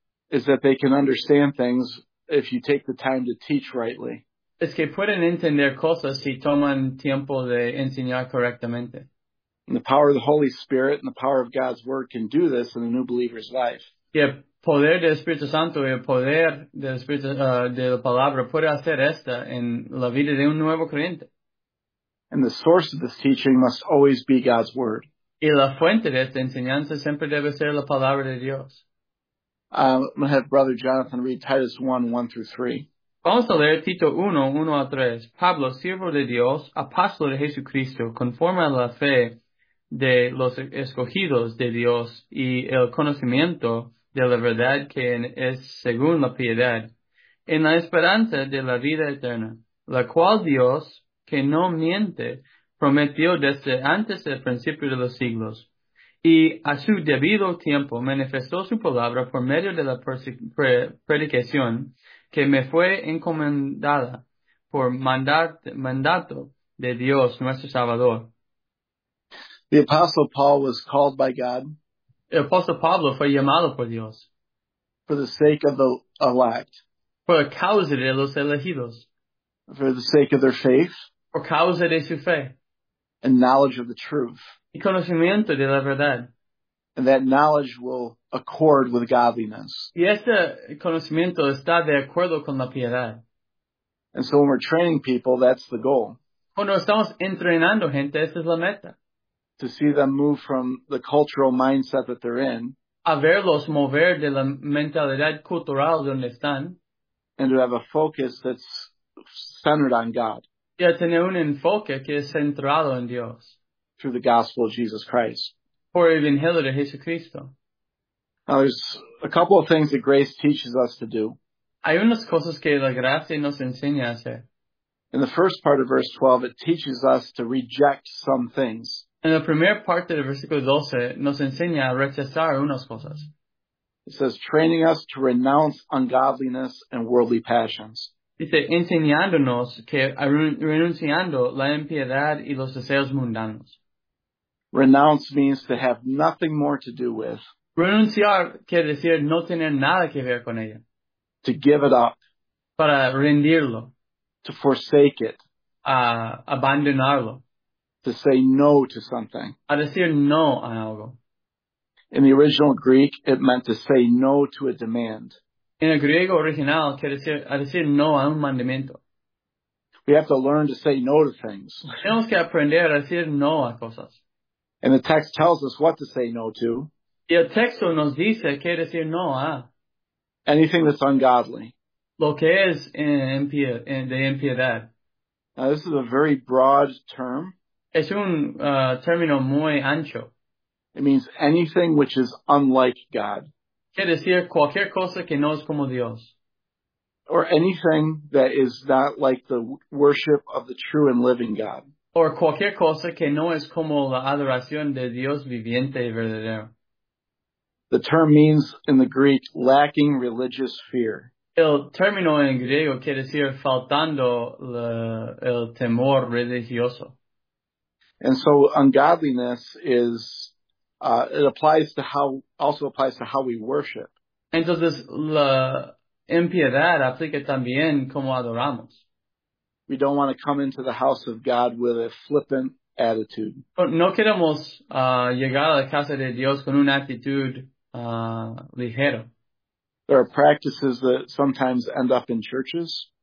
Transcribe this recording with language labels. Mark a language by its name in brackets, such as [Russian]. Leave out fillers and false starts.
[English] is that they can understand things if you take the time to teach rightly. [Spanish] Es que pueden entender cosas si toman tiempo de enseñar correctamente. [English] And the power of the Holy Spirit and the power of God's Word can do this in a new believer's life. [Spanish] Y el poder del Espíritu Santo y el poder del Espíritu, de la Palabra puede hacer esta en la vida de un nuevo creyente. [English] And the source of this teaching must always be God's Word. [Spanish] Y la fuente de esta enseñanza siempre debe ser la Palabra de Dios. [English] I'm going to have Brother Jonathan read Titus 1:1-3. [Spanish] Vamos a leer Tito 1:1-3. Pablo, siervo de Dios, apóstol de Jesucristo, conforme a la fe de los escogidos de Dios y el conocimiento de la verdad que es según la piedad, en la esperanza de la vida eterna, la cual Dios, que no miente, prometió desde antes del principio de los siglos, y a su debido tiempo manifestó su palabra por medio de la predicación que me fue encomendada por mandato de Dios nuestro Salvador. [English] The Apostle Paul was called by God. [Spanish] El Apostle Pablo fue llamado por Dios. [English] For the sake of the elect. [Spanish] Por causa de los elegidos. [English] For the sake of their faith. [Spanish] Por causa de su fe. [English] And knowledge of the truth. [Spanish] Y conocimiento de la verdad. [English] And that knowledge will accord with godliness. [Spanish] Y este conocimiento está de acuerdo con la piedad. [English] And so when we're training people, that's the goal. [Spanish] Cuando estamos entrenando gente, esa es la meta. [English] To see them move from the cultural mindset that they're in. [Spanish] A verlos mover de la mentalidad cultural donde están. [English] And to have a focus that's centered on God. [Spanish] Y a tener un enfoque que es centrado en Dios. [English] Through the gospel of Jesus Christ. [Spanish] Por el evangelio de Jesucristo. [English] Now there's a couple of things that grace teaches us to do. [Spanish] Hay unas cosas que la gracia nos enseña a hacer. [English] In the first part of verse 12, it teaches us to reject some things. [Spanish] En la primera parte del versículo 12 nos enseña a rechazar unas cosas. [English] It says, training us to renounce ungodliness and worldly passions. [Spanish] Dice, enseñándonos que renunciando la impiedad y los deseos mundanos. [English] Renounce means to have nothing more to do with. [Spanish] Renunciar quiere decir no tener nada que ver con ella. [English] To give it up. [Spanish] Para rendirlo. [English] To forsake it. [Spanish] A abandonarlo. [English] To say no to something. [Spanish] A decir no a algo. [English] In the original Greek, it meant to say no to a demand. [Spanish] En el griego original, quiere decir, a decir no a un mandamiento. [English] We have to learn to say no to things. [Spanish] Tenemos que aprender a decir no a cosas. [English] And the text tells us what to say no to. [Spanish] Y el texto nos dice qué decir no a. [English] Anything that's ungodly. [Spanish] Lo que es de impiedad. [English] Now, this is a very broad term. [Spanish] Es un término muy ancho. [English] It means anything which is unlike God. [Spanish] Quiere decir cualquier cosa que no es como Dios. [English] Or anything that is not like the worship of the true and living God. [Spanish] Or cualquier cosa que no es como la adoración de Dios viviente y verdadero. [English] The term means in the Greek lacking religious fear. [Spanish] El término en griego quiere decir faltando el temor religioso. [English] And so ungodliness is, it also applies to how we worship. [Spanish] Entonces, la impiedad aplica también como adoramos. [English] We don't want to come into the house of God with a flippant attitude. [Spanish] No queremos llegar a la casa de Dios con una actitud ligero. [English] There are practices that sometimes end up in churches.